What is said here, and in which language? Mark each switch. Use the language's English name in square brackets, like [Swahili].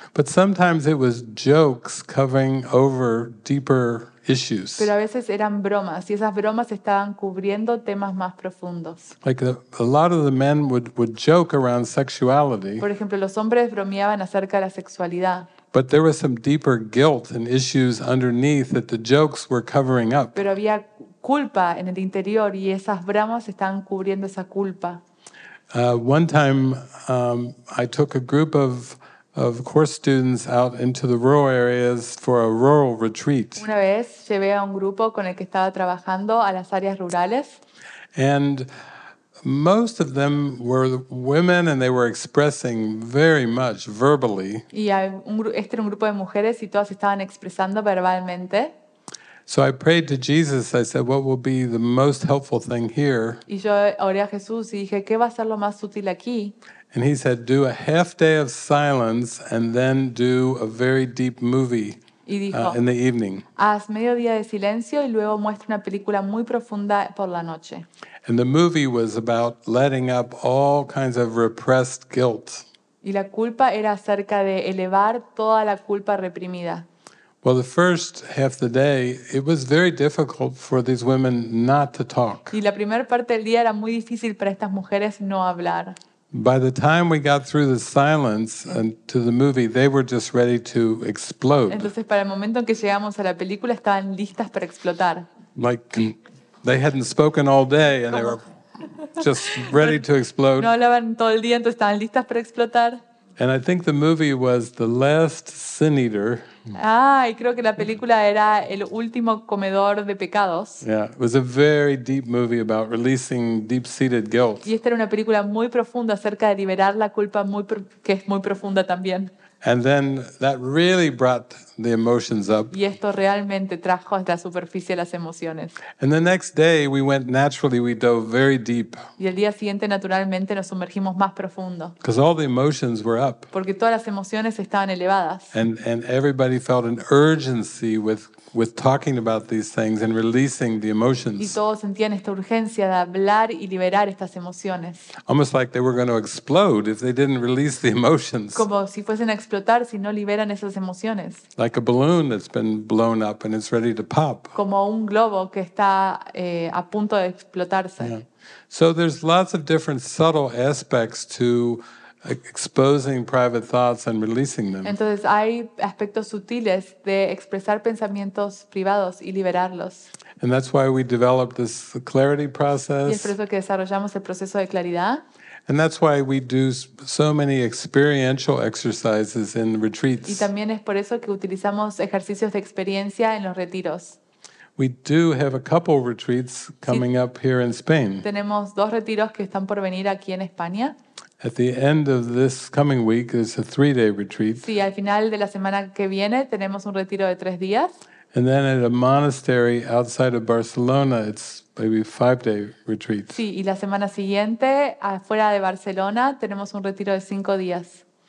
[English] But sometimes it was jokes covering over deeper issues. [Spanish] Pero a veces eran bromas y esas bromas estaban cubriendo temas más profundos. [English] Like a lot of the men would joke around sexuality. [Spanish] Por ejemplo, los hombres bromeaban acerca de la sexualidad. [English] But there was some deeper guilt and issues underneath that the jokes were covering up. [Spanish] Pero había culpa en el interior y esas bromas estaban cubriendo esa culpa. [English] One time I took a group of course students out into the rural areas for a rural retreat. [Spanish] Una vez llevé a un grupo con el que estaba trabajando a las áreas rurales. [English] And most of them were women and they were expressing very much verbally. [Spanish] Y este era un grupo de mujeres y todas estaban expresando verbalmente. [English] So I prayed to Jesus, I said, what will be the most helpful thing here? [Spanish] Y yo oré a Jesús y dije, ¿qué va a ser lo más útil aquí? [English] And he said, do a half day of silence and then do a very deep movie. [Spanish] Y dijo, [English] in the evening. [Spanish] Haz medio día de silencio y luego muestra una película muy profunda por la noche. [English] And the movie was about letting up all kinds of repressed guilt. [Spanish] Y la culpa era acerca de elevar toda la culpa reprimida. [English] Well, the first half of the day, it was very difficult for these women not to talk. [Spanish] Y la primera parte del día era muy difícil para estas mujeres no hablar. [English] By the time we got through the silence and to the movie, they were just ready to explode. [Spanish] Entonces, para el momento en que llegamos a la película, estaban listas para explotar. [English] Like they hadn't spoken all day and they were just ready to explode. [Spanish] No hablaban todo el día, entonces estaban listas para explotar. [English] And I think the movie was The Last Sin Eater. [Spanish] Ay, creo que la película era El último comedor de pecados. [English] Yeah, it was a very deep movie about releasing deep-seated guilt. [Spanish] Y esta era una película muy profunda acerca de liberar la culpa que es muy profunda también. [English] And then that really brought the emotions up. [Spanish] Y esto realmente trajo a la superficie las emociones. [English] And the next day we went naturally, we dove very deep. [Spanish] Y el día siguiente naturalmente nos sumergimos más profundo. [English] Because all the emotions were up. [Spanish] Porque todas las emociones estaban elevadas. [English] And everybody felt an urgency with talking about these things and releasing the emotions. [Spanish] Y todos sentían esta urgencia de hablar y liberar estas emociones. [English] Almost like they were going to explode if they didn't release the emotions. [Spanish] Como si fuesen a explotar si no liberan esas emociones. [English] Like a balloon that's been blown up and it's ready to pop. [Spanish] Como un globo que está a punto de explotarse. [English] Yeah. So there's lots of different subtle aspects to exposing private thoughts and releasing them. [Spanish] Entonces hay aspectos sutiles de expresar pensamientos privados y liberarlos. [English] And that's why we developed this clarity process. [Spanish] Y es por eso que desarrollamos el proceso de claridad. [English] And that's why we do so many experiential exercises in retreats. [Spanish] Y también es por eso que utilizamos ejercicios de experiencia en los retiros. [English] We do have a couple retreats coming up here in Spain. [Spanish] Tenemos dos retiros que están por venir aquí en España. [English] At the end of this coming week, it's a 3-day retreat. [Spanish] Sí, al final de la semana que viene tenemos un retiro de 3 días. [English] And then at a monastery outside of Barcelona, it's maybe 5-day retreat. [Spanish] Sí, y la semana siguiente, afuera de Barcelona, tenemos un retiro de 5 días.